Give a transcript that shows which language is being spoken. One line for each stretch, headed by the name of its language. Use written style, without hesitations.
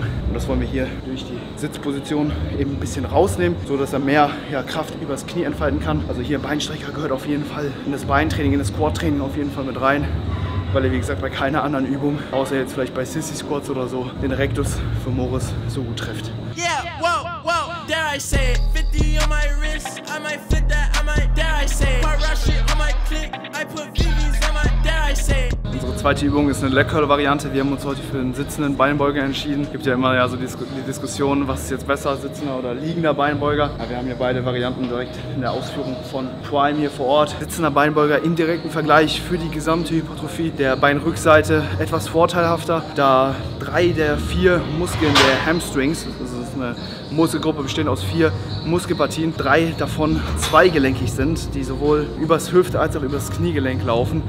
German: Und das wollen wir hier durch die Sitzposition eben ein bisschen rausnehmen, sodass er mehr Kraft übers Knie entfalten kann. Also hier Beinstrecker gehört auf jeden Fall in das Beintraining, in das Quad-Training auf jeden Fall mit rein, weil er wie gesagt bei keiner anderen Übung, außer jetzt vielleicht bei Sissy Squats oder so, den Rectus femoris so gut trifft.
English: Yeah, wow, wow, dare I say it. 50 on my wrist, I might flip that, I might, dare I say it. My rush it on my click, I put VVs on my, dare I say it.
German: Unsere zweite Übung ist eine Leg-Curl-Variante. Wir haben uns heute für einen sitzenden Beinbeuger entschieden. Es gibt ja immer so die Diskussion, was ist jetzt besser, sitzender oder liegender Beinbeuger. Ja, wir haben hier beide Varianten direkt in der Ausführung von Prime hier vor Ort. Sitzender Beinbeuger im direkten Vergleich für die gesamte Hypertrophie der Beinrückseite etwas vorteilhafter, da 3 der 4 Muskeln der Hamstrings, das ist eine Muskelgruppe bestehend aus 4 Muskelpartien, 3 davon zweigelenkig sind, die sowohl übers Hüft- als auch übers Kniegelenk laufen.